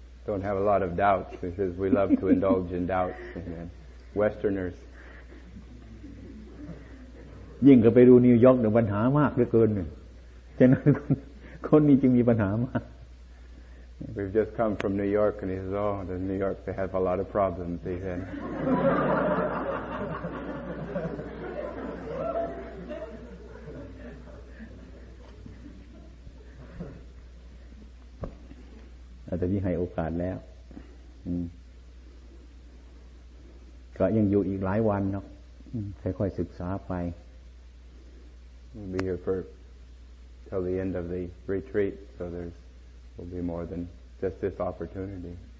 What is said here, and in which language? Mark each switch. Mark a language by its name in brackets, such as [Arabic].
[English] Don't have a lot of doubts because we love to indulge in doubts. Westerners. [Thai] ยิ่งก็ไปดูนิวยอร์กเนี่ยปัญหามากเหลือเกินเนี่ยฉะนั้นคนนี้จึงมีปัญหามาก [English] We've just come from New York and he says, oh, the New York, they have a lot of problems, he said. [Thai] อาตมาที่ให้โอกาสแล้วก็ยังอยู่อีกหลายวันเนาะค่อยๆศึกษาไป [English] We'll be here for till the end of the retreat so there will be more than just this opportunity